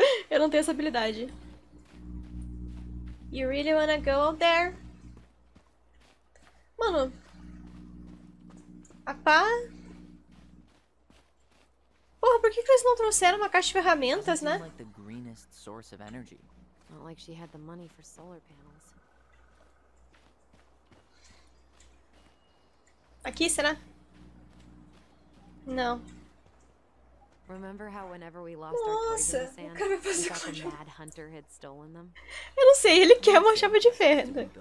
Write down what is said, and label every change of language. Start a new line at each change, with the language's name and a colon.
Portuguese: Eu não tenho essa habilidade.
English: You really wanna go out there?
Portuguese: Mano. A pá. Porra, por que eles não trouxeram uma caixa de ferramentas, né?
English: Like the greenest source of energy. Not like she had the money for solar panels.
Portuguese: Aqui, será? Não.
English: Remember how whenever we lost our toys in the sand, Mad Hunter had stolen them?
Portuguese: Eu não sei, ele quer uma chave de ferro.